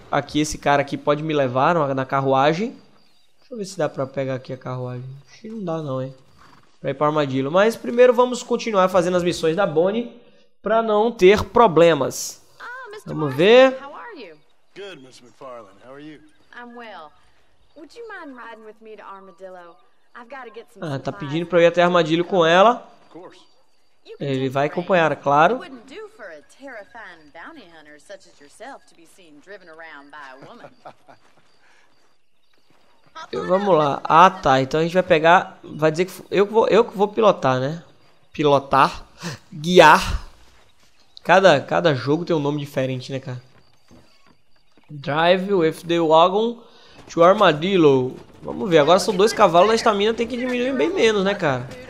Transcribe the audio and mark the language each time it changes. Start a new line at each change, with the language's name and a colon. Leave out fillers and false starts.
Portuguese: Aqui, esse cara aqui pode me levar na carruagem. Deixa eu ver se dá pra pegar aqui a carruagem. Acho que não dá não, hein? Pra ir pra Armadillo. Mas primeiro vamos continuar fazendo as missões da Bonnie pra não ter problemas. Vamos ver...
English: Good, Miss McFarlane. How are you? I'm well. Would you mind riding with me to Armadillo? I've got to get some.
Portuguese: Ah, tá pedindo para ir até Armadillo com ela. Ele vai acompanhar, claro.
English: It wouldn't do for a terrifying bounty hunter such as yourself to be seen driven around by a woman.
Portuguese: Vamos lá. Ah, tá. Então a gente vai pegar. Vai dizer que eu que vou pilotar, né? Pilotar, guiar. Cada jogo tem um nome diferente, né, cara?
English: Drive with the wagon to Armadillo.
Portuguese: Vamos ver, agora são dois cavalos, a estamina tem que diminuir bem menos, né, cara?